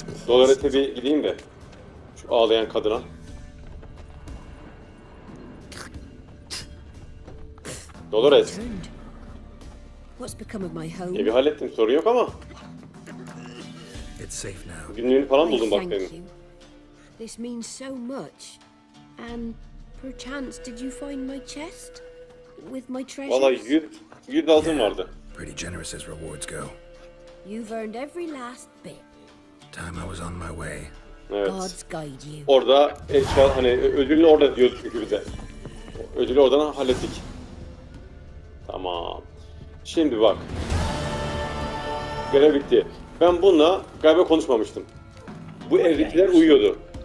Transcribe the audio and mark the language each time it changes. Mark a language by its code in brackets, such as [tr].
[tr] Dolores'e bir gideyim de. Şu ağlayan kadına. [en] Dolores. What's become of my home? [tr] Evi hallettim, sorun yok ama. [en] It's safe now. [tr] Günlüğünü falan buldum bak benim. [en] This means so much. And perchance did you find my chest with my treasures? [tr] Vallahi 100 altın vardı. [en] Pretty generous as rewards go. You've earned every last bit. Time I was on my way. God's guide you. [tr] Orada eşya hani ödülünü orada diyor çünkü bize. Ödülü oradan hallettik. Tamam. Şimdi bak. Görev bitti. Ben bununla galiba konuşmamıştım. Bu evlilikler uyuyordu.